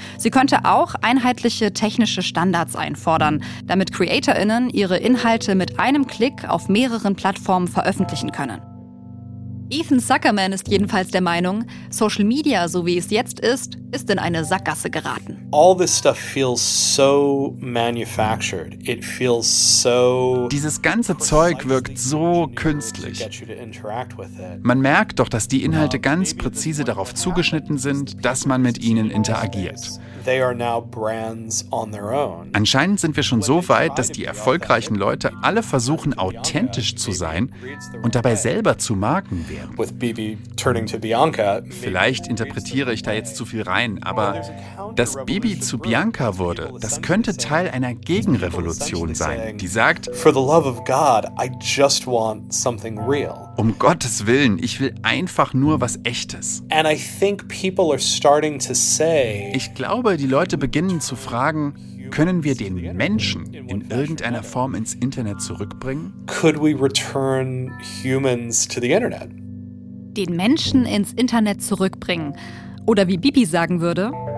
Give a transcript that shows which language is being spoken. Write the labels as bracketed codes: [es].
[de] Sie könnte auch einheitliche technische Standards einfordern, damit CreatorInnen ihre Inhalte mit einem Klick auf mehreren Plattformen veröffentlichen können. Ethan Zuckerman ist jedenfalls der Meinung, Social Media, so wie es jetzt ist, ist in eine Sackgasse geraten. [en] All this stuff feels so manufactured. It feels so. [de] Dieses ganze Zeug wirkt so künstlich. Man merkt doch, dass die Inhalte ganz präzise darauf zugeschnitten sind, dass man mit ihnen interagiert. [en] They are now brands on their own. [de] Anscheinend sind wir schon so weit, dass die erfolgreichen Leute alle versuchen, authentisch zu sein und dabei selber zu Marken werden. Vielleicht interpretiere ich da jetzt zu viel rein, aber dass Bibi zu Bianca wurde, das könnte Teil einer Gegenrevolution sein, die sagt, [en] for the love of God, I just want something real. [de] Um Gottes Willen, ich will einfach nur was Echtes. [en] And I think people are starting to say, [de] ich glaube, die Leute beginnen zu fragen, können wir den Menschen in irgendeiner Form ins Internet zurückbringen? [en] Could we return humans to the Internet? [de] Den Menschen ins Internet zurückbringen. Oder wie Bibi sagen würde,